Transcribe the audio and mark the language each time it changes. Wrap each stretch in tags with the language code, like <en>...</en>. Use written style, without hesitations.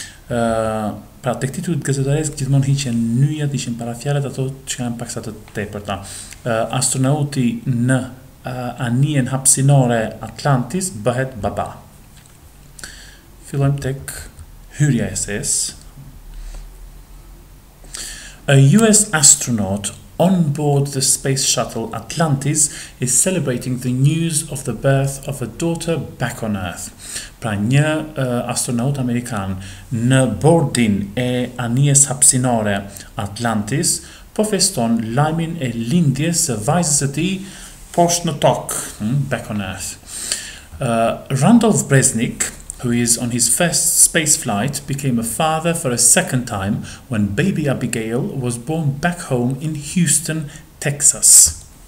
<sq>Pra tek titullit gazetaresk gjithmonë hiqen nyjat, hiqen parafjalët ato që kanë paksa të tepërta. Astronauti në anijen hapsinore Atlantis bëhet baba. Fillojmë tek hyrja e sesë.</sq> <en>A US astronaut on board the space shuttle Atlantis is celebrating the news of the birth of a daughter back on Earth.</en> <sq>Pra një astronaut amerikan në bordin e anijes hapsinore Atlantis po feston lajmin e lindjes së vajzës së tij poshtë në tokë,</sq> <en>back on Earth. Randolph Breznik, who is on his first space flight, became a father for a second time when baby Abigail was born back home in Houston, Texas.</en>